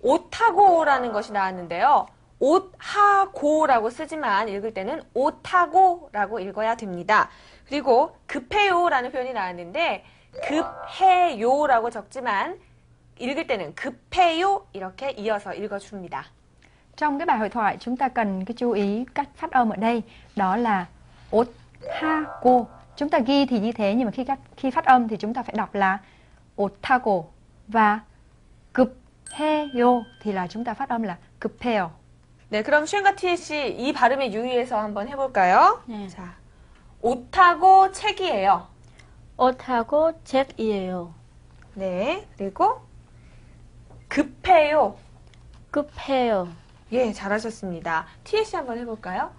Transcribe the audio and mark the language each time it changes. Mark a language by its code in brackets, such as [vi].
[ko] 옷하고라는 것이 나왔는데요. 옷하고라고 쓰지만 읽을 때는 옷하고라고 읽어야 됩니다. 그리고 급해요라는 표현이 나왔는데 급해요라고 적지만 읽을 때는 급해요 이렇게 이어서 읽어줍니다. [vi] Trong cái bài hội thoại chúng ta cần cái chú ý cách phát âm ở đây đó là ốt ha cô. Chúng ta ghi thì như thế nhưng mà khi phát âm thì chúng ta phải đọc là ốt tha cô và cực he yo thì là chúng ta phát âm là cực peo. [ko] 네, 그럼 쉔과 TSC 이 발음에 유의해서 한번 해볼까요? 네. 자, 옷하고 책이에요. 옷하고 책이에요. 네, 그리고 급해요. 급해요. 예, 잘하셨습니다. TSC 한번 해볼까요?